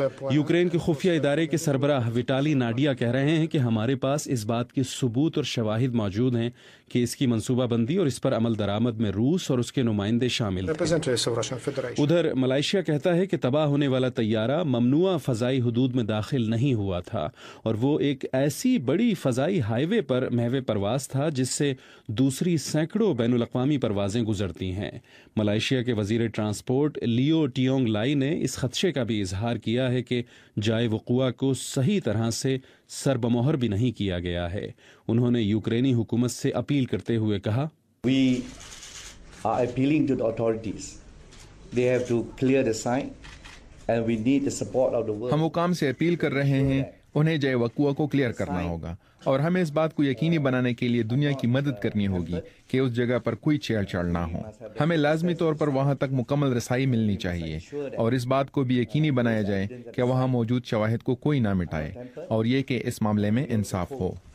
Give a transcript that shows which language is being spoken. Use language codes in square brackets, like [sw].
[ur] Ukraine کے خفیہ ادارے کے سربراہ وٹالی ناڈیا کہہ رہے ہیں کہ ہمارے پاس اس بات کے ثبوت اور شواہد موجود ہیں کہ اس کی منصوبہ بندی اور اس پر عمل درآمد میں روس اور اس کے نمائندے شامل تھے۔ ادھر ملائیشیا کہتا ہے کہ تباہ ہونے والا طیارہ ممنوع فضائی حدود میں داخل نہیں ہوا تھا، اور وہ ایک ایسی بڑی فضائی ہائی وے پر مہوے پرواز تھا جس سے دوسری سینکڑوں بین الاقوامی پروازیں گزرتی ہیں۔ ملائیشیا کے وزیر ٹرانسپورٹ لی ڈی او ٹیونگ لائی نے اس خدشے کا بھی اظہار کیا ہے کہ جائے وقوع کو صحیح طرح سے سربمہر بھی نہیں کیا گیا ہے۔ انہوں نے یوکرینی حکومت سے اپیل کرتے ہوئے کہا، [en] We are appealing to the authorities, they have to clear the sign and we need the support of the world. [ur] ہم حکام سے اپیل کر رہے ہیں، انہیں جائے وقوع کو کلیئر کرنا ہوگا، اور ہمیں اس بات کو یقینی بنانے کے لیے دنیا کی مدد کرنی ہوگی کہ اس جگہ پر کوئی چھیڑ چھاڑ نہ ہو۔ ہمیں لازمی طور پر وہاں تک مکمل رسائی ملنی چاہیے، اور اس بات کو بھی یقینی بنایا جائے کہ وہاں موجود شواہد کو کوئی نہ مٹائے، اور یہ کہ اس معاملے میں انصاف ہو۔